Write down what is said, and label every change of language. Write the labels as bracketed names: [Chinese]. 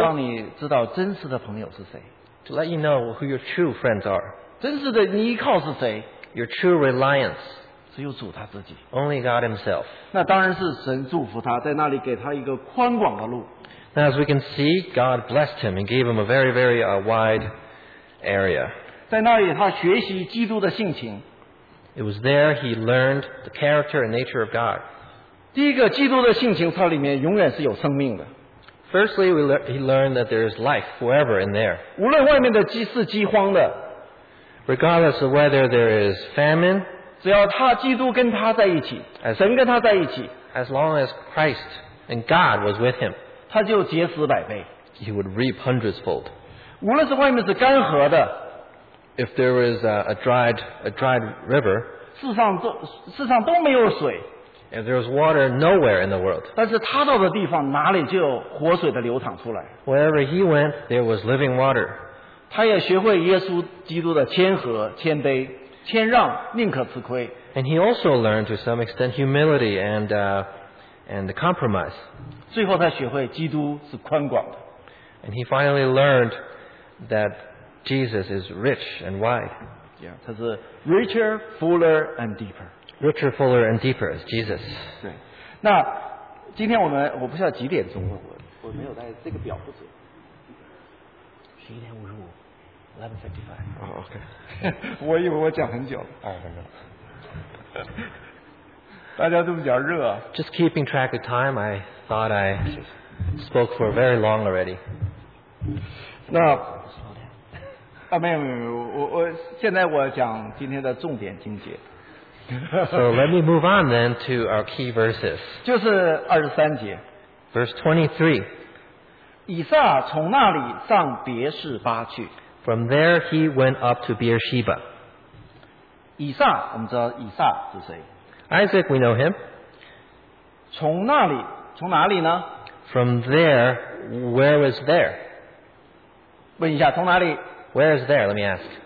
[Chinese] 让你知道真实的朋友是谁。 [English] To let you know who your true friends are. [Chinese] 真实的你依靠是谁？ [English] Your true reliance. [Chinese] 只有主他自己。 [English] Only God Himself. [Chinese] 那当然是神祝福他，在那里给他一个宽广的路。 [English] Now, as we can see, God blessed him and gave him a very, very wide area. [Chinese] 在那里他学习基督的性情。 [English] It was there he learned the character and nature of God. [Chinese] 第一个，基督的性情，它里面永远是有生命的。 [English] Firstly, he learned that there is life forever in there. [Chinese] 无论外面的饥是饥荒的。 [English] Regardless of whether there is famine, [Chinese] 只要他基督跟他在一起，神跟他在一起。 [English] As long as Christ and God was with him. [Chinese] 他就结实百倍。 [English] He would reap hundredsfold. [Chinese] 无论是外面是干涸的。 [English] If there is a dried river, [Chinese] 世上都没有水。 [English] If there is water nowhere in the world, [Chinese] 但是他到的地方哪里就有活水的流淌出来。 [English] Wherever he went, there was living water. [Chinese] 他也学会耶稣基督的谦和、谦卑、谦让，宁可吃亏。 [English] And he also learned to some extent humility and compromise. [Chinese] 最后他学会基督是宽广的。 [English] And he finally learned that Jesus is rich and wide. Yeah, [Chinese] 他是 [English] richer, fuller, and deeper. Richer, fuller, and deeper is Jesus. [Chinese] 对，那今天我不知道几点钟了，我没有带这个表不准。 [English] 11:55 11:55 Oh, okay. [Chinese] 我以为我讲很久了。 [English] 20 minutes. [Chinese] 大家都比较热。 [English] Just keeping track of time, I thought I spoke for very long already. [Chinese] 那。啊，没有没有没有，我现在我讲今天的重点经节。 [English] So let me move on then to our key verses. [Chinese] 就是23节。 [English] Verse 23. [Chinese] 以撒从那里上别示巴去。 [English] From there he went up to Beersheba. [Chinese] 以撒，我们知道以撒是谁 [English] ？Isaac, we know him. [Chinese] 从那里，从哪里呢 [English] ？From there, where was there? [Chinese] 问一下，从哪里？ [English] Where is there? Let me ask.